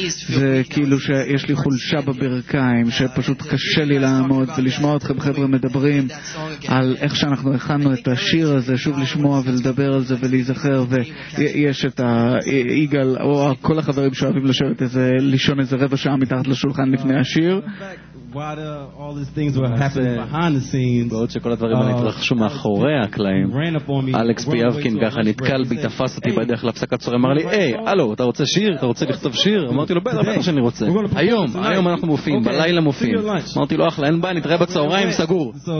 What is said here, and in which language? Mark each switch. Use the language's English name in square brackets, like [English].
[Hebrew] וכאילו שיש לי חולשה בברכיים, שפשוט קשה לי לעמוד, ולשמוע אתכם חבר'ה מדברים על איך שאנחנו הכנו את השיר הזה, שוב לשמוע ולדבר על זה ולהיזכר, ויש את איגל או כל החברים שאוהבים לשבת איזה לישון איזה רבע שעה מתחת לשולחן לפני השיר. [English] What all these things were happening behind the scenes. [Hebrew] בעוד שכל הדברים האלה התרחשו מאחורי הקלעים. אלכס פיאבקין ככה נתקל בי, תפס אותי בדרך להפסקת צורה, אמר לי, היי, הלו, אתה רוצה שיר? אתה רוצה לכתוב שיר? אמרתי לו, בטח, בטח שאני רוצה. היום, היום אנחנו מופיעים, בלילה מופיעים. אמרתי לו, אחלה, אין בעיה, נתראה בצהריים, סגור.